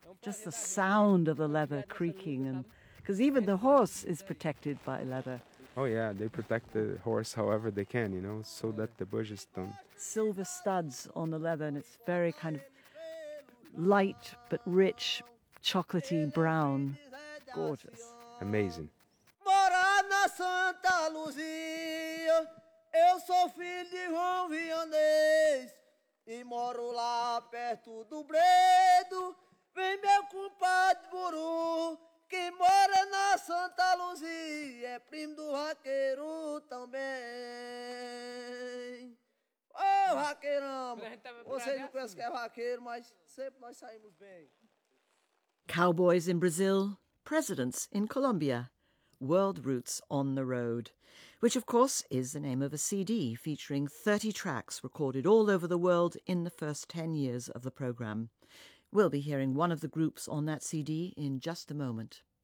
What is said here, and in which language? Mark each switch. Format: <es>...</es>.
<en>Just the sound of the leather creaking, and because even the horse is protected by leather. Oh yeah, they protect the horse however they can, you know, so that the bushes don't. Silver studs on the leather, and it's very kind of light but rich, chocolatey brown. Gorgeous. Amazing.</en> <pt>Santa Luzia, eu sou filho de João Vianês e moro lá perto do Bredo. Vem meu compadre Buru, que mora na Santa Luzia, é primo do vaqueiro também. Ô, oh, vaqueirão, você não pensa que é vaqueiro, mas sempre nós saímos bem.</pt> <en>Cowboys in Brazil, presidents in Colombia. World Roots on the Road, which of course is the name of a CD featuring 30 tracks recorded all over the world in the first 10 years of the programme. We'll be hearing one of the groups on that CD in just a moment.</en>